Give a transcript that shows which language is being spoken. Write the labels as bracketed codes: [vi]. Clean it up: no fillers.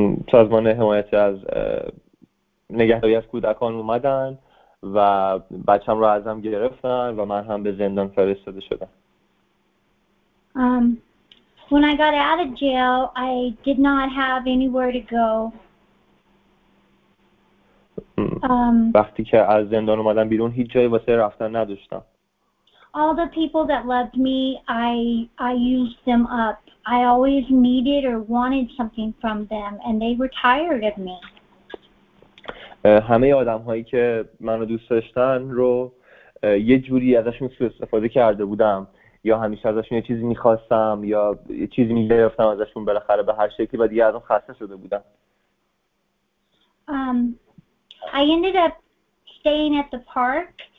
[fa] سازمان حمایت از نگهداری از کودکان اومدن و بچه‌م رو ازم گرفتن و من هم به زندان فرستاده شدم. [en] When I got out of jail, I did not have anywhere to go. [fa] وقتی که از زندان اومدم بیرون هیچ جایی واسه رفتن نداشتم. [en] All the people that loved me, I used them up. I always needed or wanted something from them, and they were tired of me. [fa] همه آدم‌هایی که منو دوست داشتن رو یه جوری ازشون سوء استفاده کرده بودم، یا همیشه ازشون یه چیزی می‌خواستم یا یه چیزی می‌گرفتم ازشون، بالاخره به هر شکلی و دیگه ازم خسته شده بودم. [en] I ended up staying at the park.